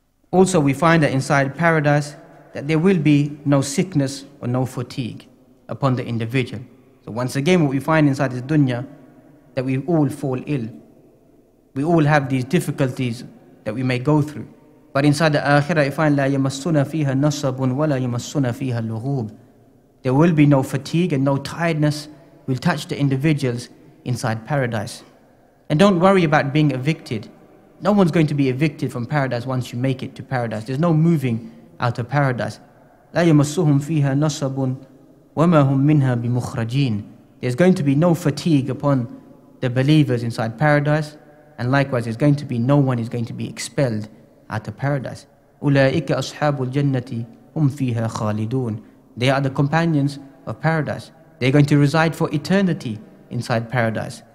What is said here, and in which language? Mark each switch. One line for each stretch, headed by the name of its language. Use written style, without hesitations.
English: Also, we find that inside paradise that there will be no sickness or no fatigue upon the individual. So once again, what we find inside this dunya, that we all fall ill. We all have these difficulties that we may go through. But inside the akhirah, you find,
Arabic: لا يمسونا فيها نصب ولا يمسونا فيها لغوب.
English: There will be no fatigue and no tiredness will touch the individuals inside paradise. And don't worry about being evicted. No one's going to be evicted from paradise once you make it to paradise. There's no moving out of paradise.
Arabic: لا يمسوهم فيها نصب وما هم منها بمخرجين.
English: There's going to be no fatigue upon the believers inside paradise. And likewise, there's going to be no one is going to be expelled out of paradise.
Arabic: أُولَٰئِكَ أَصْحَابُ الْجَنَّةِ هُمْ فِيهَا خَالِدُونَ.
English: They are the companions of paradise. They're going to reside for eternity inside paradise.